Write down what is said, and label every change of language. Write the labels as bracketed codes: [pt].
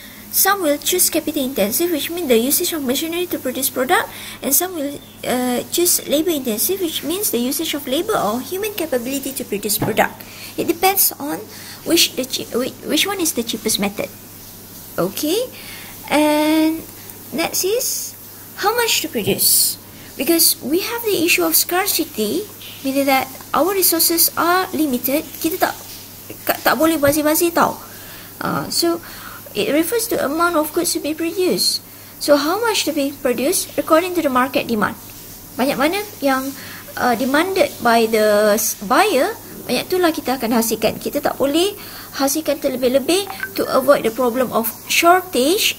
[en] Some will choose capital intensive, which means the usage of machinery to produce product, and some will choose labor intensive, which means the usage of labor or human capability to produce product. It depends on which one is the cheapest method. Okay, and next is how much to produce. Because we have the issue of scarcity, meaning that our resources are limited. [ms] Kita tak boleh bazir-bazir tau. [en] So it refers to amount of goods to be produced. So how much to be produced according to the market demand. [ms] Banyak mana yang [en] demanded by the buyer, [ms] banyak itulah kita akan hasilkan. Kita tak boleh hasilkan terlebih-lebih [en] to avoid the problem of shortage.